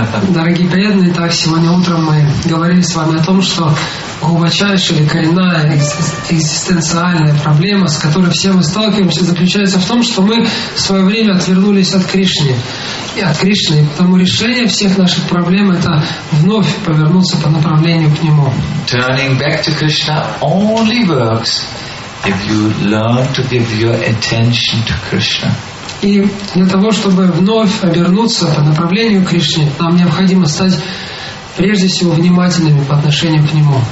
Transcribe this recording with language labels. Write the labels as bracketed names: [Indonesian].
[Russian] Дорогие преданные, так сегодня утром мы говорили с вами о том, что глубочайшая или коренная экзистенциальная проблема, с которой все мы сталкиваемся, заключается в том, что мы в свое время отвернулись от Кришны. И от Кришны. И потому решение всех наших проблем — это вновь повернуться по направлению к Нему. [English] Turning back to Krishna only works if you learn to give your attention to Krishna. [Russian] И для того, чтобы вновь обернуться по направлению к Кришне, нам необходимо стать прежде всего внимательными по отношению к Нему.